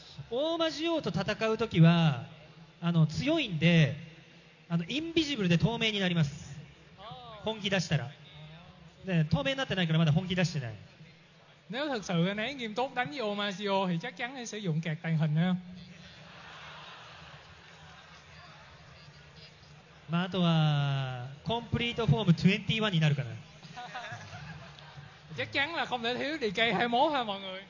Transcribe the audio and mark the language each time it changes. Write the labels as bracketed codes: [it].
[ja] オーマジオと戦うときは強いんで、インビジブルで透明になります。本気出したら。で、透明になってないからまだ本気出してない。 [vi] Nếu thực sự anh ấy nghiêm túc đánh với Omazio thì chắc chắn anh sử dụng kẹt tàng hình ha. まあ、あとはコンプリートフォーム21になるかな。 [ja] 絶対は [vi] không thể thiếu DK 21 ha mọi người。